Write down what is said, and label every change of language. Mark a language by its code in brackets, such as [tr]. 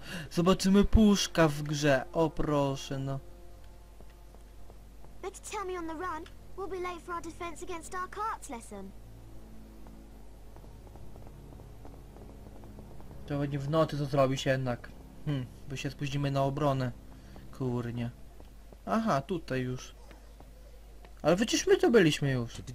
[pl] Zobaczymy puszka w grze. O proszę, no. [en] Better tell me on the run. We'll be late for our defense against dark arts lesson. [pl] To będzie w nocy, co zrobi się jednak. Bo się spóźnimy na obronę. Kurnie. Aha, tutaj już. Ale przecież my to byliśmy już.